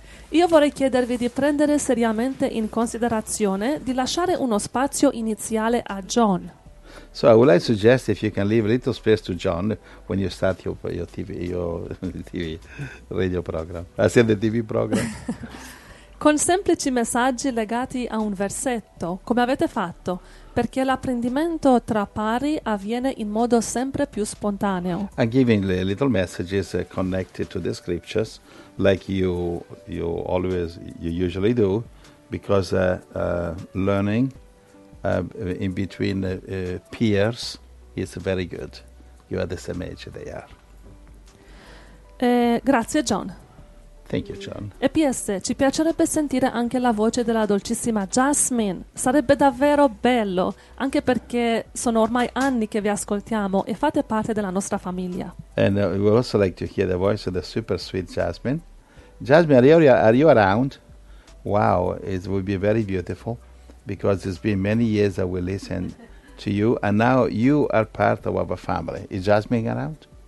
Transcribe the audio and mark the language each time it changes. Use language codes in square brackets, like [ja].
[it] Io vorrei chiedervi di prendere seriamente in considerazione di lasciare uno spazio iniziale a John. [en] So I would like to suggest if you can leave a little space to John when you start your TV radio program. The TV program. [it] Con semplici messaggi legati a un versetto, come avete fatto, perché l'apprendimento tra pari avviene in modo sempre più spontaneo. [en] I'm giving little messages connected to the scriptures, like you usually do, because learning in between peers is very good. You are the same age they are. [it] Grazie, John. [en] Thank you, John. [it] E PS, ci piacerebbe sentire anche la voce della dolcissima Jasmine. Sarebbe davvero bello, anche perché sono ormai anni che vi ascoltiamo e fate parte della nostra famiglia. [en] And we would also like to hear the voice of the super sweet Jasmine. Jasmine, are you around? Wow, it would be very beautiful, because it's been many years that we listen to you, and now you are part of our family. Is Jasmine around?